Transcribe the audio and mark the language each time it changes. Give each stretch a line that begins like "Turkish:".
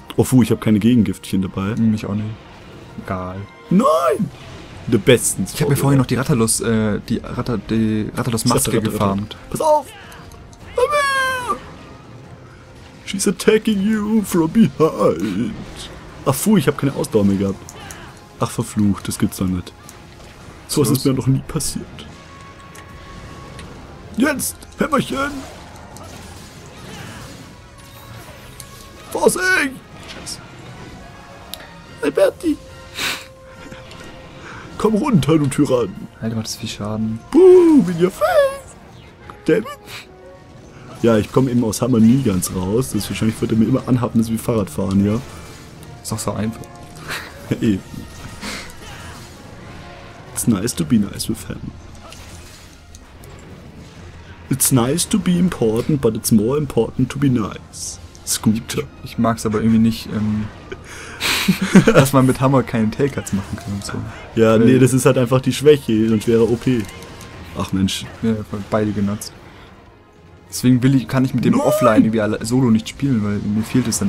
German: Oh, puh, ich habe keine Gegengiftchen dabei. Mich auch nicht. Egal. Nein! The bestens. Ich habe mir vorhin noch die Rathalos-Maske gefarmt. Pass auf!
English: Come here! She's attacking you from behind.
German: Ach, puh, ich habe keine Ausdauer mehr gehabt. Ach, verflucht, das gibt's doch nicht. So was ist mir noch nie passiert. Jetzt, Hämmerchen! Vorsicht! Scheiße. Alberti! Komm runter, du Tyrann! Alter, macht das viel Schaden.
English: Boom, in your face! Damn it.
German: Ja, ich komme eben aus Hammer nie ganz raus. Das ist wahrscheinlich, wird er mir immer anhaben, dass wir Fahrrad fahren, ja? Ist doch so einfach. Eben.
English: It's nice to be nice with him. It's nice to be important, but it's more important to be nice. Scooter.
German: Ich mag's aber irgendwie nicht, dass man mit Hammer keinen Tailcuts machen kann und so. Ja, nee, das ist halt einfach die Schwäche, sonst wäre OP. Ach Mensch. Ja, beide genutzt. Deswegen kann ich mit dem Offline irgendwie solo nicht spielen, weil mir fehlt es dann